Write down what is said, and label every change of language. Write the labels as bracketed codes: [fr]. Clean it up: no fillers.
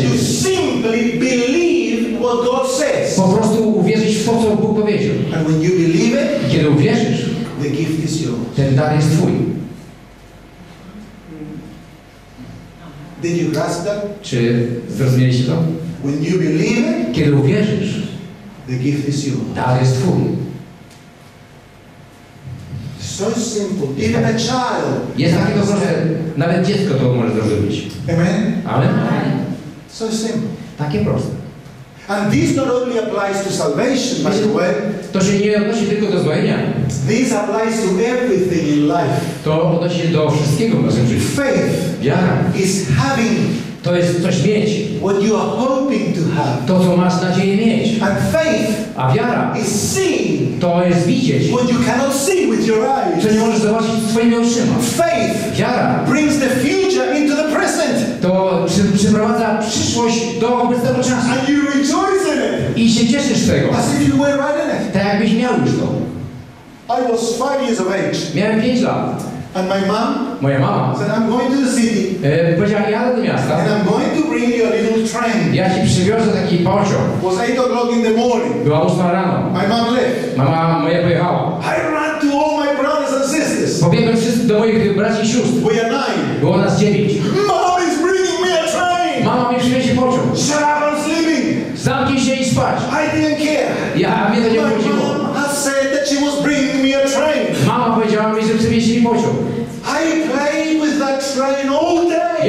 [en] to simply believe what God says. [pl] Po prostu uwierzyć w to, co Bóg powiedział. [en] And when you believe it, [pl] i kiedy uwierzysz, [en] the gift is yours. [pl] Ten dar jest twój. [en] Did you grasp that? [pl] Czy zrozumieliście to? [en] When you believe it, [pl] kiedy uwierzysz, [en] the gift is yours. [pl] Dar jest twój. [en] So simple. Even a child. [pl] Jest takie proste. Że nawet dziecko to może zrozumieć. [en] Amen. [pl] Amen. [en] So simple. [pl] Takie proste. [en] And this not only applies to salvation, by the way. [pl] To się nie odnosi tylko do zbawienia. [en] This applies to everything in life. [pl] To odnosi się do wszystkiego w naszym życiu. [en] Faith. [pl] Wiara. [en] Is having. [pl] To jest coś mieć. [en] What you are hoping to have. [pl] To co masz nadzieję mieć. [en] And faith. [pl] A wiara. [en] Is seeing. [pl] To jest widzieć. [en] What you cannot see with your eyes. [pl] Co nie możesz zobaczyć swoimi oczyma. [en] Faith. [pl] Wiara. [en] Brings the future into the present. [pl] To przyprowadza przyszłość do obecnego czasu. [en] And you rejoice in it. [pl] I się cieszysz z tego. [en] As if you were right in it. [pl] Tak jakbyś miał już to. [en] I was 5 years of age. [pl] Miałem 5 lat. [en] And my mom. [pl] Moja mama. [en] Said I'm going to the city. [pl] Powiedziała, jadę do miasta. [en] And I'm going to bring you a little train. [pl] Ja ci przywiozę taki pociąg. [en] Was 8 o'clock in the morning. [pl] Była 8 rano. [en] My mom left. [pl] Mama moja pojechała. [en] I ran to all my brothers and sisters. [pl] Pobiegłem wszyscy do moich braci i sióstr. [en] We are 9. [pl] Było nas 9. [en] Mom is bringing me a train. [pl] Mama mi przywiezie pociąg. [en] Shut up and sleeping. [pl] Zamknij się i spać. [en] I didn't care. [pl] Ja mnie to nie obchodziło. [en] Said that she was bringing me a train. [pl] Mama powiedziała mi, że przywieźli pociąg. [en] I played with that train all day.